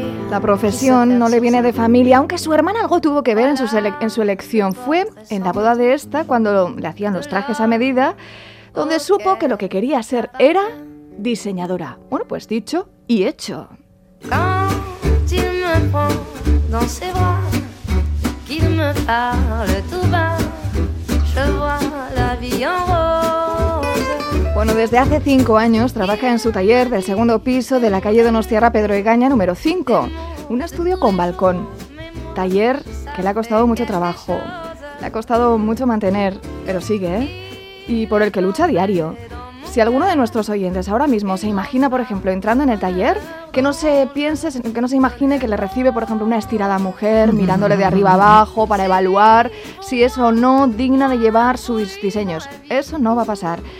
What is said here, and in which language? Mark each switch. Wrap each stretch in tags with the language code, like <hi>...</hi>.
<es>La profesión no le viene de familia, aunque su hermana algo tuvo que ver en su elección. Fue en la boda de esta, cuando le hacían los trajes a medida, donde supo que lo que quería ser era diseñadora. Bueno, pues dicho y hecho.</es> <fr>Quand il me prend dans ses bras, qu'il me parle tout bas, je vois la vie en rose.</fr> <es>Bueno, desde hace 5 años trabaja en su taller del segundo piso de la calle Donostiarra Pedro Egaña número 5, un estudio con balcón. Taller que le ha costado mucho trabajo, le ha costado mucho mantener, pero sigue, ¿eh? Y por el que lucha a diario. Si alguno de nuestros oyentes ahora mismo se imagina, por ejemplo, entrando en el taller, que no se piense, que no se imagine que le recibe, por ejemplo, una estirada mujer mirándole de arriba abajo para evaluar si es o no digna de llevar sus diseños. Eso no va a pasar.</es>